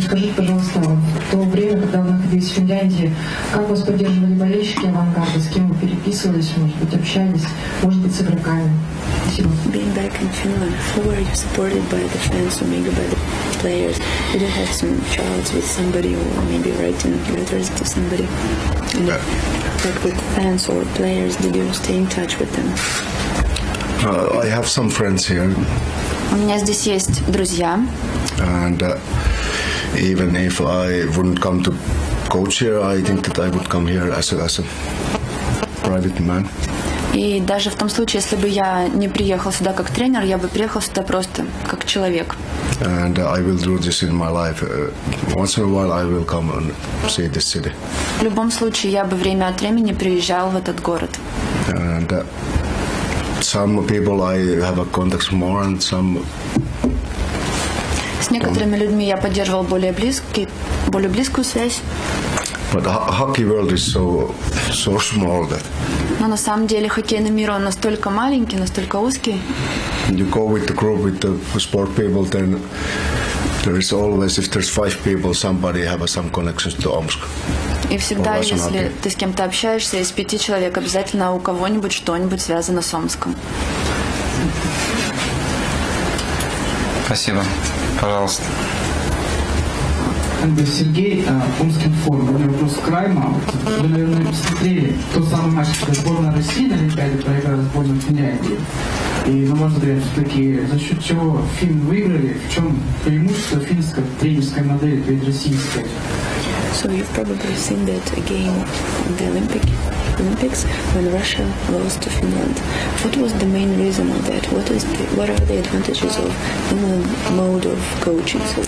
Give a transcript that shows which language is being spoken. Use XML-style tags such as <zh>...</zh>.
<ru>Скажите, пожалуйста, в то время, когда вы находились в Финляндии, как вас поддерживали болельщики «Авангарда», с кем вы переписывались, может быть, общались, может быть, с игроками? Спасибо.</ru> <en>Being back in Finland, who were you supported by the fans or maybe by the players? Did you have some chats with somebody or maybe writing letters to somebody? Yeah. Like with fans or players, did you stay in touch with them? I have some friends here.</en> <ru>У меня здесь есть друзья.</ru> <en>And even if I wouldn't come to coach here, I think that I would come here as a private man.</en> <ru>И даже в том случае, если бы я не приехал сюда как тренер, я бы приехал сюда просто как человек.</ru> <en>And I will do this in my life. Once in a while, I will come and see this city.</en> <ru>В любом случае, я бы время от времени приезжал в этот город.</ru> <en>And some people I have a contact more, and some.</en> <ru>С некоторыми людьми я поддерживал более близкую связь.</ru> <en>But hockey world is so small that.</en> <ru>Но на самом деле хоккейный мир он настолько маленький, настолько узкий.</ru> <en>You go with the group with the sport people, then there is always if there's five people, somebody have some connections to Omsk.</en> <ru>И всегда, если ты с кем-то общаешься, из пяти человек обязательно у кого-нибудь что-нибудь связано с Омском. Спасибо. Пожалуйста. Сергей, Омский форум. У меня вопрос к Райму. Вы, наверное, посмотрели тот самый матч, когда сборная России на Олимпиаде проиграла сборную Финляндии. И, на ваш взгляд, все-таки за счет чего финны выиграли, в чем преимущество финской тренерской модели перед российской?</ru> <en>So you've probably seen that game in the Olympics when Russia lost to Finland. What was the main reason of that? What are the advantages of Finland mode of coaching?</en>